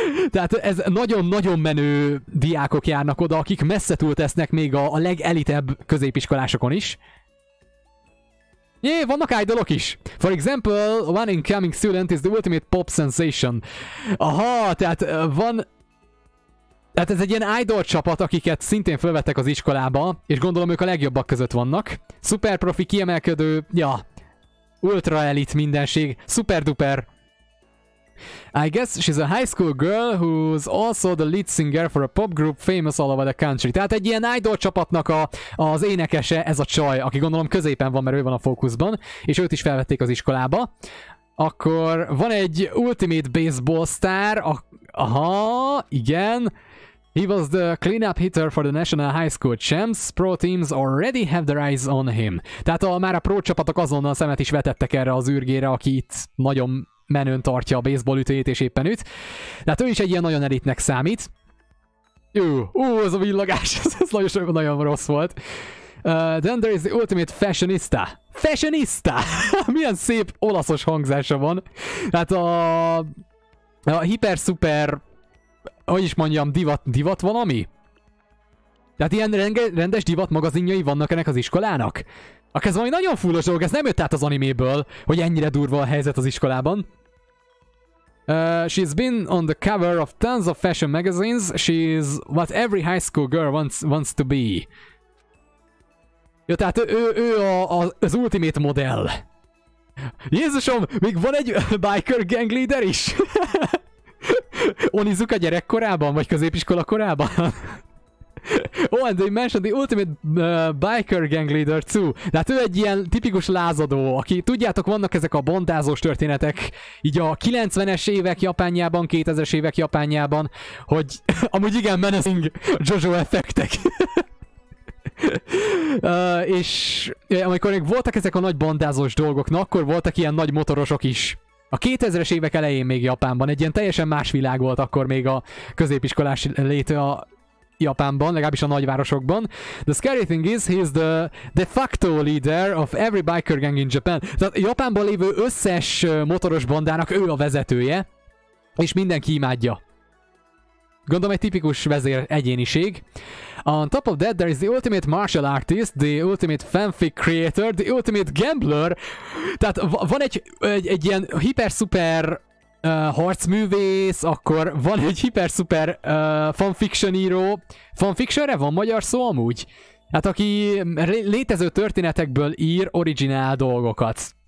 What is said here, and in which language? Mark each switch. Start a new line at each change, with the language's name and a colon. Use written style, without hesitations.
Hungarian: Tehát ez nagyon-nagyon menő diákok járnak oda, akik messze túltesznek még a legelitebb középiskolásokon is. Jé, vannak idolok is.
English: For example, one incoming student is the ultimate pop sensation.
Hungarian: Aha, tehát van... Tehát ez egy ilyen idol csapat, akiket szintén felvettek az iskolába, és gondolom ők a legjobbak között vannak. Super profi, kiemelkedő, ja... Ultra elit mindenség, super duper. I guess she's a high school girl who's also the lead singer for a pop group famous all over the country. Tehát egy ilyen idol csapatnak az énekese ez a csaj, aki gondolom középen van, mert ő van a fókuszban, és őt is felvették az iskolába. Akkor van egy ultimate baseball star, igen.
English: He was the cleanup hitter for the National High School Champs. Pro teams already have their eyes on him.
Hungarian: Tehát már a pro csapatok azonnal szemet is vetettek erre az űrgére, aki itt nagyon menőn tartja a baseball ütőjét és éppen üt. Tehát ő is egy ilyen nagyon elitnek számít. Ez a villagás, ez nagyon rossz volt.
English: Then there is the ultimate fashionista. Fashionista!
Hungarian: Milyen szép olaszos hangzása van. Tehát a hiper-super... Hogy is mondjam, divat valami? Tehát ilyen rendes divat magazinjai vannak ennek az iskolának? Akkor ez valami nagyon fullos dolog, ez nem jött át az animéből, hogy ennyire durva a helyzet az iskolában.
English: She's been on the cover of tons of fashion magazines. She's what every high school girl wants to be.
Hungarian: Jó, tehát ő az ultimate modell. Jézusom, még van egy biker gang leader is? Onizuka gyerekkorában, vagy középiskola korában?
English: Oh, and they mentioned the ultimate biker gang leader too.
Hungarian: De hát ő egy ilyen tipikus lázadó, aki, tudjátok, vannak ezek a bondázós történetek, így a 90-es évek Japánjában, 2000-es évek Japánjában, hogy amúgy igen, menacing Jojo effektek. és amikor még voltak ezek a nagy bondázós dolgok, na akkor voltak ilyen nagy motorosok is. A 2000-es évek elején még Japánban egy ilyen teljesen más világ volt akkor még a középiskolás léte a Japánban, legalábbis a nagyvárosokban.
English: The scary thing is, he is the de facto leader of every biker gang in Japan.
Hungarian: Tehát Japánban lévő összes motoros bandának ő a vezetője, és mindenki imádja. Gondolom egy tipikus vezér egyéniség.
English: On top of that, there is the ultimate martial artist, the ultimate fanfic creator, the ultimate gambler.
Hungarian: Tehát van egy ilyen hiper-szuper harcművész, akkor van egy hiper-szuper fanfiction író. Fanfictionre van magyar szó amúgy? Hát aki létező történetekből ír originál dolgokat.